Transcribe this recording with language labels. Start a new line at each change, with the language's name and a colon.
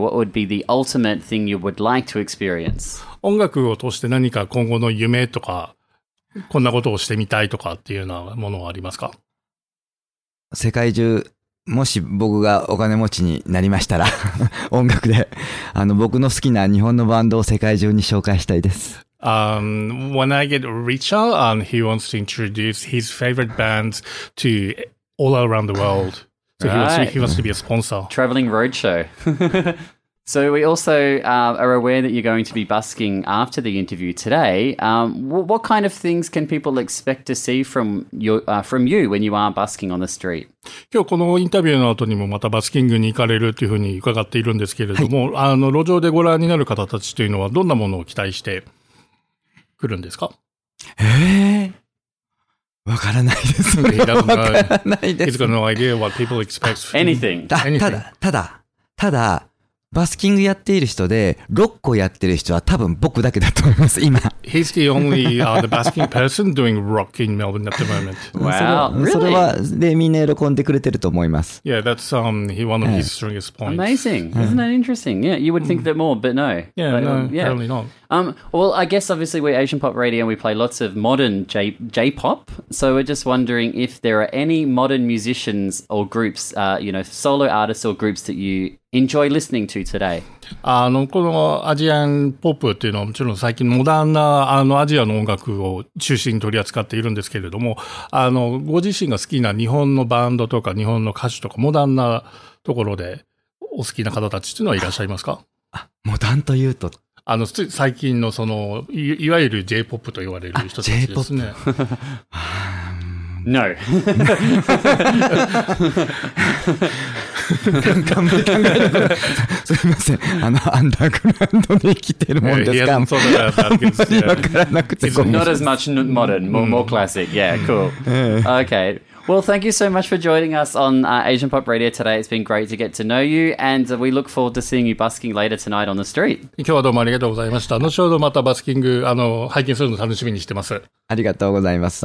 English: What would be the ultimate thing you would like to experience?
Japanese: 音楽を通して何か今後の夢とか、こんなことをしてみたいとかっていうようなものはありますか？世界中、もし僕がお金持ちになりましたら、音楽で、僕の好きな日本のバンドを世界中に紹介したいです。
English: When I get richer, he wants to introduce his favorite bands to all around the world. So he wants to be a sponsor. Traveling roadshow. So we also are aware that you're going to be busking after the interview today. What kind of things can people expect to see from you when you are busking on the street?
Japanese: 今日このインタビューの後にもまたバスキングに行かれるというふうに伺っているんですけれども、はい、路上でご覧になる方たちというのはどんなものを期待して来るんですか？わからないですね。わからないです。
English: He's got no idea what people expect. Anything.
Japanese: ただ、バスキングやっている人で、ロックをやっている人は多分僕だけだと思います、今。
English: He's the only, the basking person doing rock in Melbourne at the moment. Wow, really?
Japanese: それは、で、みんな喜んでくれてると思います。
English: Yeah, that's, one of his strongest points. Amazing. Isn't that interesting? Yeah, you would think that more, but no. Yeah, no, apparently not. Well, I guess obviously we're Asian Pop Radio and we play lots of modern J-pop. So we're just wondering if there are any modern musicians or groups, you know, solo artists or groups that you enjoy listening to today.
Japanese: このアジアンポップっていうのはもちろん最近モダンなアジアの音楽を中心に取り扱っているんですけれども、ご自身が好きな日本のバンドとか日本の歌手とかモダンなところでお好きな方たちっていうのはいらっしゃいますか？モダンというと最近のその、いわゆる J-POP と言われる人たちですね。
English: No.
Japanese: 考えてる。すいません。アンダーグラウンドで生きてるもんですか？そうだよ。何わからなくて。
English: Not as much modern, more classic. Yeah, cool. Okay. Well, thank you so much for joining us on Asian Pop Radio today. It's been great to get to know you, and we look forward to seeing you busking later tonight on the street.
Japanese: 今日はどうもありがとうございました。後ほどまたバスキング、拝見するの楽しみにしてます。ありがとうございます。